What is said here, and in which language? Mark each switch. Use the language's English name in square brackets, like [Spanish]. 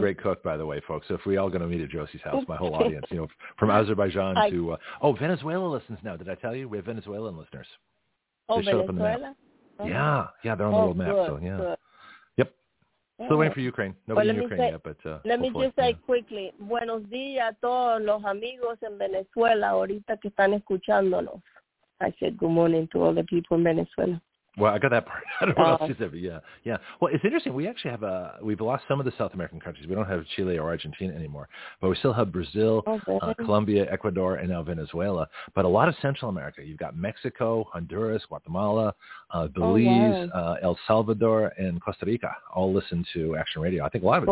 [English] great cook, by the way, folks. So if we all going to meet at Josie's house, my whole audience, you know, from Azerbaijan Venezuela listens now. Did I tell you? We have Venezuelan listeners. Oh, they Showed up on the map. Uh-huh. Yeah. Yeah, they're on the world map, good, so yeah. Still waiting for Ukraine. Nobody in Ukraine yet, but let me just say quickly, [Spanish] buenos días a todos los amigos en Venezuela ahorita que están escuchándonos. [English] I said good morning to all the people in Venezuela. Well, I got that part. I don't know what else you said, but yeah. Well, it's interesting. We actually have we've lost some of the South American countries. We don't have Chile or Argentina anymore, but we still have Brazil, Colombia, Ecuador, and now Venezuela. But a lot of Central America. You've got Mexico, Honduras, Guatemala, Belize, El Salvador, and Costa Rica all listen to Action Radio. I think a lot of it's